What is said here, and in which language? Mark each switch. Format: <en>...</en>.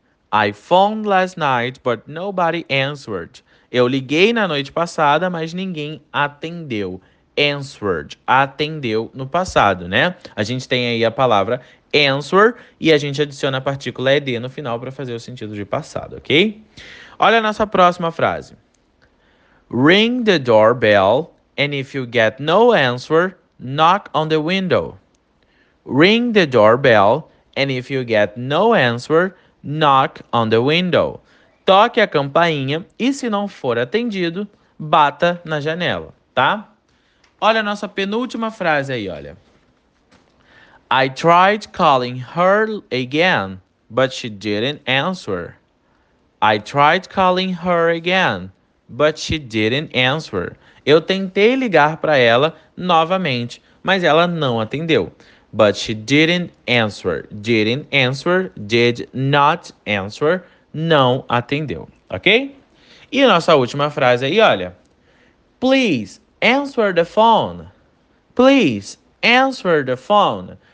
<en>I phoned last night, but nobody answered.</en> <pt>Eu liguei na noite passada, mas ninguém atendeu. Answered. Atendeu no passado, né? A gente tem aí a palavra answer e a gente adiciona a partícula ed no final para fazer o sentido de passado, ok? Olha a nossa próxima frase.</pt> <en>Ring the doorbell and if you get no answer, knock on the window. Ring the doorbell and if you get no answer, knock on the window.</en> <pt>Toque a campainha e se não for atendido, bata na janela, tá? Olha a nossa penúltima frase aí, olha.</pt> <en>I tried calling her again, but she didn't answer. I tried calling her again, but she didn't answer.</en> <pt>Eu tentei ligar para ela novamente, mas ela não atendeu.</pt> <en>But she didn't answer. Didn't answer. Did not answer.</en> <pt>Não atendeu. Ok? E a nossa última frase aí, olha.</pt> <en>Please answer the phone. Please answer the phone.</en>